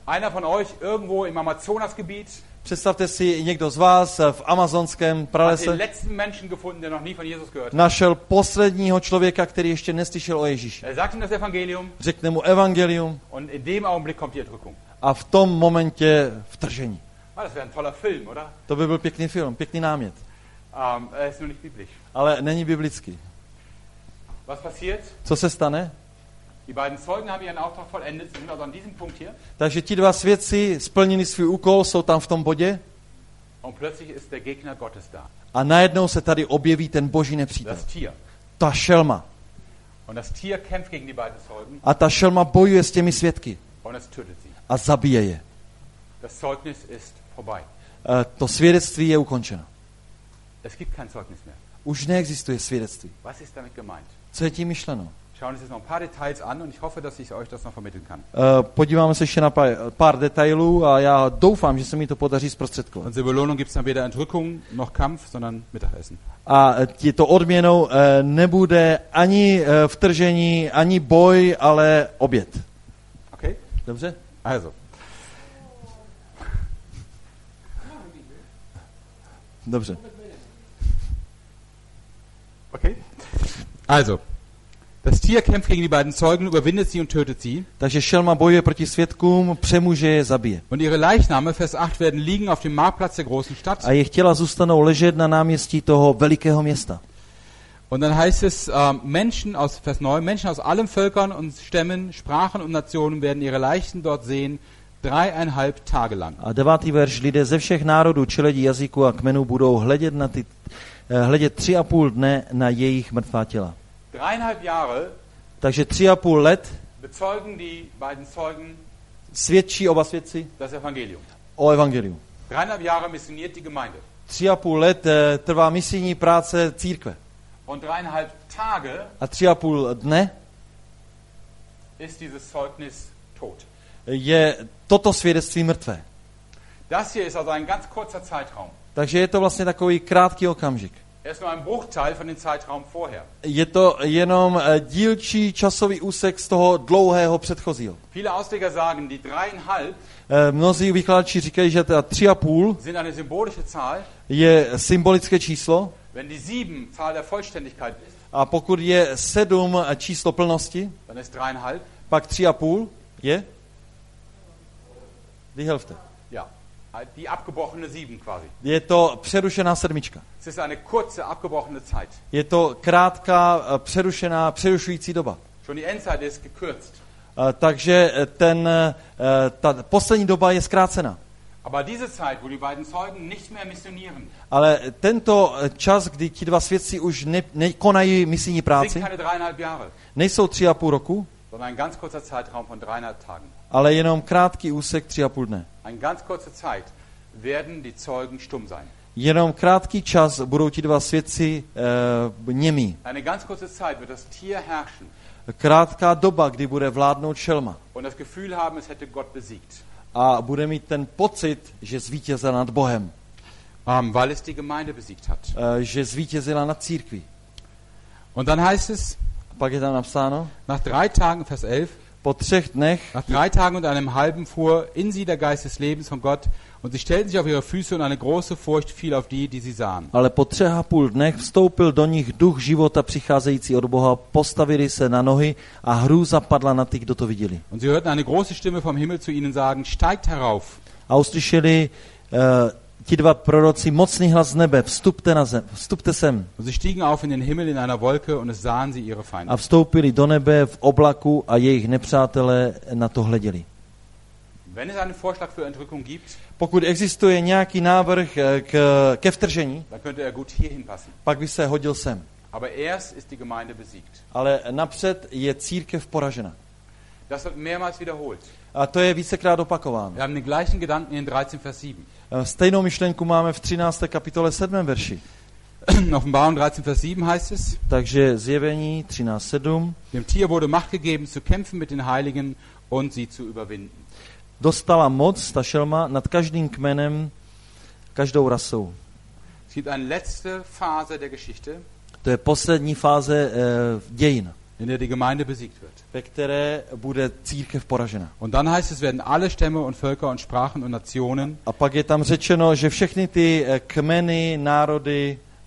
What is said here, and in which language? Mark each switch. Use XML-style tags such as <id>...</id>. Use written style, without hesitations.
<de>Einer von euch irgendwo im Amazonasgebiet.</de> <cs>Představte si někdo z vás v amazonském pralese.</cs> <de>Den letzten Menschen gefunden, der noch nie von Jesus gehört.</de> <cs>Našel posledního člověka, který ještě neslyšel o Ježíši.</cs> <de>Er sagt ihm das Evangelium.</de> <cs>Řekne mu evangelium.</cs> <de>Und in dem Augenblick kommt die Entrückung.</de> <cs>A v tom momentě vtržení.</cs> <de>Ah, das wäre ein toller Film, oder?</de> <cs>To by byl pěkný film, pěkný námět.</cs> <de>Ist nur nicht biblisch.</de> <cs>Ale není biblický.</cs> <de>Was passiert?</de> <cs>Co se stane?</cs> <de>Die beiden Zeugen haben ihren Auftrag vollendet, sind also an diesem Punkt hier.</de> <cs>Takže ti dva svědci splnili svůj úkol, jsou tam v tom bodě.</cs> <de>Und plötzlich ist der Gegner Gottes da.</de> <cs>A najednou se tady objeví ten Boží nepřítel.</cs> <de>Das Tier.</de> <cs>Ta šelma.</cs> <de>Und das Tier kämpft gegen die beiden Zeugen.</de> <cs>A ta šelma bojuje s těmi svědky.</cs> <de>Und es tötet sie.</de> <cs>A zabije je.</cs> <de>Das Zeugnis ist vorbei.</de> <cs>To svědectví je ukončeno.</cs> <de>Es gibt kein Zeugnis mehr.</de> <cs>Už neexistuje svědectví.</cs> <de>Was ist damit gemeint?</de> <cs>Co je tím myšleno?</cs> <de>Schauen Sie sich noch ein paar Details an und ich hoffe, dass ich euch das noch vermitteln kann.</de> <cs>Podíváme se ještě na pár detailů a já doufám, že se mi to podaří zprostředkovat.</cs> <de>Und zur Belohnung gibt's dann weder Entrückung noch Kampf, sondern Mittagessen.</de> <cs>A tyto odměnou nebude ani vtržení, ani boj, ale oběd. Okay. Dobře?</cs> <de>Also.</de> <cs>Dobře. Okay.</cs> <de>Also, das Tier kämpft gegen die beiden Zeugen, überwindet sie und tötet sie.</de> <cs>Takže šelma bojuje proti svědkům, přemůže je, zabije.</cs> <de>Und ihre Leichname, Vers 8, werden liegen auf dem Marktplatz der großen Stadt.</de> <cs>A jejich těla zůstanou ležet na náměstí toho velikého města.</cs> <de>Und dann heißt es, Menschen aus Vers 9, Menschen aus allen Völkern und Stämmen, Sprachen und Nationen werden ihre Leichen dort sehen, 3,5 Tage lang.</de> <cs>A 9. verš, lidé ze všech národů, čeledi, jazyků a kmenů budou hledět na ty hledět 3,5 dne na jejich mrtvá těla.</cs> <de>3,5 Jahre.</de> <cs>Takže 3,5 let.</cs> <de>Bezeugen die beiden Zeugen</de> <cs>svědčí oba svědci?</cs> <de>Das Evangelium.</de> <cs>O evangeliu.</cs> <de>3,5 Jahre missioniert die Gemeinde.</de> <cs>3,5 let trvá misijní práce církve.</cs> <de>Und 3,5 Tage.</de> <cs>A 3,5 dne.</cs> <de>Ist dieses Zeugnis tot.</de> <cs>Je toto svědectví mrtvé.</cs> <de>Das hier ist also ein ganz kurzer Zeitraum.</de> <cs>Takže je to vlastně takový krátký okamžik.</cs> <de>Ist nur ein Bruchteil von dem Zeitraum vorher.</de> <cs>Je to jenom dílčí časový úsek z toho dlouhého předchozího.</cs> <de>Viele Ausleger sagen, die 3,5.</de> <cs>Mnozí vykladači říkají, že ta 3,5</cs> <de>sind eine symbolische Zahl.</de> <cs>Je symbolické číslo.</cs> <de>Wenn die 7 Zahl der Vollständigkeit ist.</de> <cs>A pokud je 7 číslo plnosti,</cs> <de>dann ist 3,5.</de> <cs>Pak 3,5 je</cs> <de>die Hälfte. Ja. Die abgebrochene 7 quasi.</de> <cs>Je to přerušená sedmička.</cs> <de>Es ist eine kurze abgebrochene Zeit.</de> <cs>Je to krátká přerušená přerušující doba.</cs> <de>Schon die Endzeit ist gekürzt.</de> <cs>Takže ten ta poslední doba je zkrácena.</cs> <de>Aber diese Zeit, wo die beiden Zeugen nicht mehr missionieren.</de> <cs>Ale tento čas, kdy ti dva svědci už nekonají misijní práci.</cs> <de>Sind keine 3,5 Jahre.</de> <cs>Nejsou 3,5 roku.</cs> <de>Sondern ein ganz kurzer Zeitraum von 3,5 Tagen.</de> <cs>Ale jenom krátký úsek 3,5 dne.</cs> <de>Ein ganz kurze Zeit werden die Zeugen stumm sein.</de> <cs>Jenom krátký čas budou ti dva svědci němí.</cs> <de>Eine ganz kurze Zeit wird das Tier herrschen.</de> <cs>Krátká doba, kdy bude vládnout šelma.</cs> <de>Und das Gefühl haben, es hätte Gott besiegt.</de> <cs>A bude mít ten pocit, že zvítězila nad Bohem.</cs> <de>Weil es die Gemeinde besiegt hat.</de> <cs>Že zvítězila nad církví.</cs> <de>Und dann heißt es,</de> <cs>pak je tam napsáno,</cs> <de>nach 3 Tagen, Vers 11,</de> <cs>po třech dnech,</cs> <de>nach 3 Tagen und einem halben fuhr in sie der Geist des Lebens von Gott und sie stellten sich auf ihre Füße und eine große Furcht fiel auf die, die sie sahen.</de> <cs>Ale po třech a půl dnech vstoupil do nich duch života přicházející od Boha, postavili se na nohy a hrůza padla na ty, kdo to viděli.</cs> <de>Und sie hörten eine große Stimme vom Himmel zu ihnen sagen, steigt herauf.</de> <cs>A uslyšeli ti dva proroci mocný hlas z nebe, vstupte na zem, vstupte sem.</cs> <de>Und sie stiegen auf in den Himmel in einer Wolke und es sahen sie ihre Feinde.</de> <cs>A vstoupili do nebe v oblaku a jejich nepřátelé na to hleděli.</cs> <de>Wenn es einen Vorschlag für Entrückung gibt,</de> <cs>pokud existuje nějaký návrh ke vtržení,</cs> <de>dann könnte er gut hierhin passen.</de> <cs>Pak by se hodil sem.</cs> <de>Aber erst ist die Gemeinde besiegt.</de> <cs>Ale napřed je církev poražena.</cs> <de>Das wird mehrmals wiederholt.</de> <cs>A to je vícekrát opakováno.</cs> <de>Wir haben den gleichen Gedanken in 13, Vers 7.</de> <cs>Stejnou myšlenku máme v 13. kapitole 7. verši.</cs> <de>Offenbarung 13, Vers 7 heißt es.</de> <cs>Takže zjevení 13:7.</cs> <de>Dem Tier wurde Macht gegeben zu kämpfen mit den Heiligen und sie zu überwinden.</de> <cs>Dostala moc ta šelma nad každým kmenem, každou rasou.</cs> <de>Es gibt eine letzte Phase der Geschichte.</de> <cs>To je poslední fáze dějin.</cs> <de>In der die Gemeinde besiegt wird.</de> <cs>Ve které bude církev poražena.</cs> <de>Und dann heißt es, werden alle Stämme und Völker und Sprachen und Nationen.</de> <cs>A pak je tam řečeno, že všechny ty kmeny, národy,</cs>